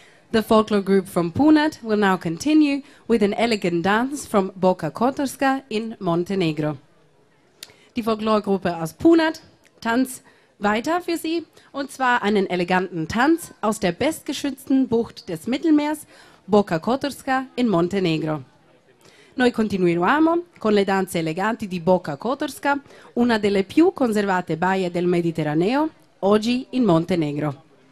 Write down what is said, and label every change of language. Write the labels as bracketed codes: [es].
[en] The folklore group from Punat will now continue with an elegant dance from Boka Kotorska in Montenegro. [de] Die Folklorgruppe aus Punat tanzt weiter für Sie, und zwar einen eleganten Tanz aus der bestgeschützten Bucht des Mittelmeers, Boka Kotorska in Montenegro. [it] Noi continuiamo con le danze eleganti di Boka Kotorska, una delle più conservate baie del Mediterraneo, oggi in Montenegro.